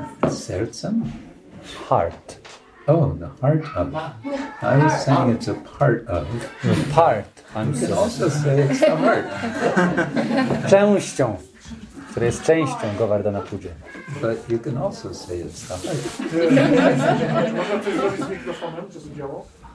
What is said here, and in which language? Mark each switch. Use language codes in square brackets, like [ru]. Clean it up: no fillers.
[pl] Sercem? [en] Heart. Oh, the heart of. I was saying it's a part of. Part. You could also say it's the heart. [pl] Częścią. Który jest częścią Govardhana Puja. [en] But you can also say it's the heart. [pl] Można to zrobić z mikrofonem, czy z działo?